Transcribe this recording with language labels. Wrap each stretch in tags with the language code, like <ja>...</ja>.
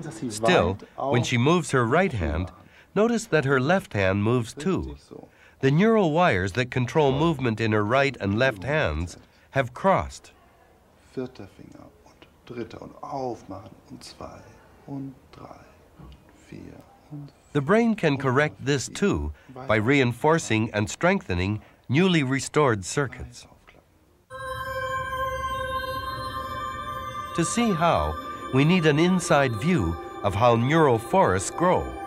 <en>Still, when she moves her right hand, notice that her left hand moves too. The neural wires that control movement in her right and left hands have crossed.</en> <de>Vierter Finger und dritter und aufmachen und zwei und drei und vier und</de> <en>The brain can correct this too by reinforcing and strengthening newly restored circuits. To see how, we need an inside view of how neural forests grow.</en>